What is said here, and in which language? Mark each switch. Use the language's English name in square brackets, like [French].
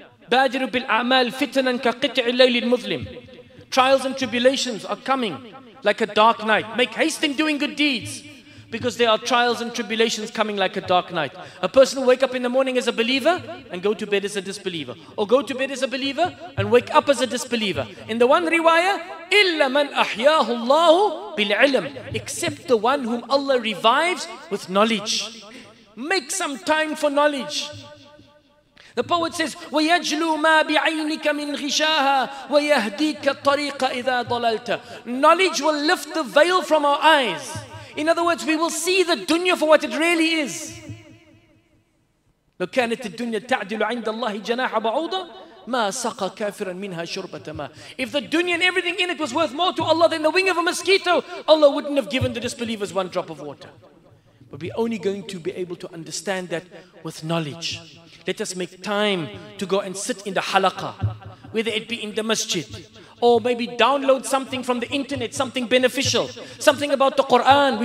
[Arabic] بَادِرُ بِالْأَعْمَالِ فِتْنًا كَقِطْعِ اللَّيْلِ الْمُظْلِمِ. [English] Trials and tribulations are coming like a dark night. Make haste in doing good deeds, because there are trials and tribulations coming like a dark night. A person will wake up in the morning as a believer and go to bed as a disbeliever. Or go to bed as a believer and wake up as a disbeliever. In the one riwayah, [Arabic] إِلَّا مَنْ أَحْيَاهُ اللَّهُ بِالْعِلْمِ. [English] Except the one whom Allah revives with knowledge. Make some time for knowledge. The poet says, [Arabic] وَيَجْلُو مَا بِعَيْنِكَ مِنْ غِشَاهَا وَيَهْدِيكَ الطَّرِيقَ إِذَا ضَلَلْتَ. [English] Knowledge will lift the veil from our eyes. In other words, we will see the dunya for what it really is. [Arabic] لو كانت الدنيا تعدل عند الله جناح بعوضة ما سقى كافرا منها شربة ماء. [English] If the dunya and everything in it was worth more to Allah than the wing of a mosquito, Allah wouldn't have given the disbelievers one drop of water. But we're only going to be able to understand that with knowledge. Let us make time to go and sit in the halaqa, whether it be in the masjid, or maybe download something from the internet, something beneficial, something about the Quran.